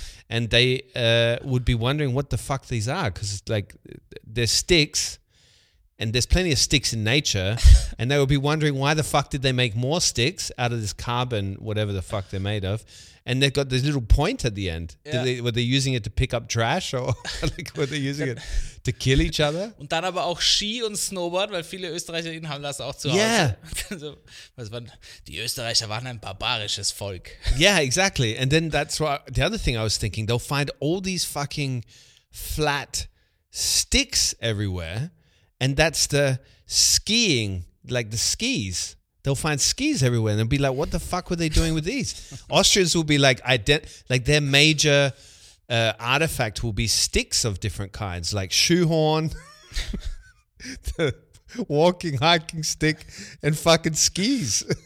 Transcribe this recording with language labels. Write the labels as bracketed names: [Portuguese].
[English] And they would be wondering what the fuck these are, because it's like, they're sticks. And there's plenty of sticks in nature, and they would be wondering why the fuck did they make more sticks out of this carbon, whatever the fuck they're made of. And they've got this little point at the end. Yeah. Were they using it to pick up trash, or like, were they using it to kill each other? [German] Und dann aber auch Ski und Snowboard, weil viele Österreicherinnen haben das auch zu Hause. [English] Yeah. [German] So, was waren, die Österreicher waren ein barbarisches Volk. [English] Yeah, exactly. And then that's what the other thing I was thinking, they'll find all these fucking flat sticks everywhere. And that's the skiing, like the skis. They'll find skis everywhere and they'll be like, what the fuck were they doing with these? Austrians will be like, like their major artifact will be sticks of different kinds, like shoehorn, the walking, hiking stick, and fucking skis.